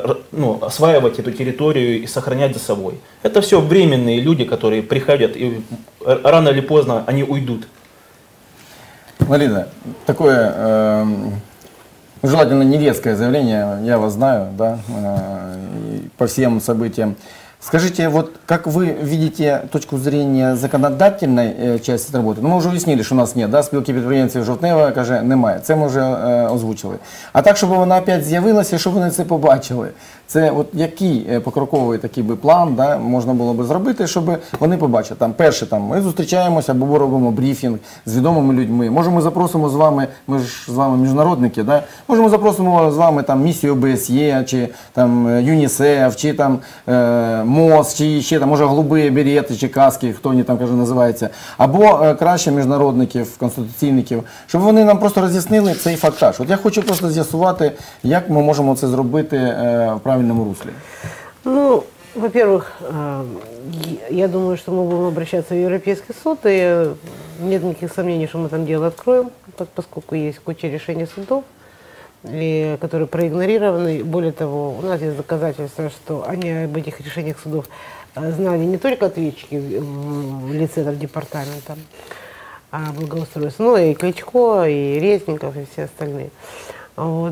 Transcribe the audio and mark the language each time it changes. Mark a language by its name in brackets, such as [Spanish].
[Russian] Ну, осваивать эту территорию и сохранять за собой. Это все временные люди, которые приходят, и рано или поздно они уйдут. Марина, такое желательно не резкое заявление, я вас знаю, да, по всем событиям. Скажите, вот как вы видите точку зрения законодательной части работы? Ну, мы уже уяснили, что у нас нет, да, [Ukrainian] спілки підприємців Жовтнева, каже, немає. Це ми вже озвучили. А так, щоб вона опять з'явилася, щоб вони це побачили. Це от який покроковий такий би план, да, можна було би зробити, щоб вони побачили. Там перше, там, ми зустрічаємося або робимо брифінг з відомими людьми. Може, ми запросимо з вами, ми ж з вами міжнародники, да? Може, ми запросимо з вами там місію ОБСЄ, чи там ЮНІСЕФ, чи там МОЗ, чи ще там, може, голубі берети, чи каски, хто вони там, каже, називається. Або краще міжнародників, конституційників, щоб вони нам просто роз'яснили цей фактаж. От я хочу просто з'ясувати, як ми можемо це зробити в правильному руслі. [Russian] Ну, во-первых, я думаю, что мы будем обращаться в Европейский суд, и нет никаких сомнений, что мы там дело откроем, поскольку есть куча решений судов, и, которые проигнорированы. Более того, у нас есть доказательства, что они об этих решениях судов знали не только ответчики в лице там, департамента благоустройства, но и Кличко, и Резников, и все остальные. Вот.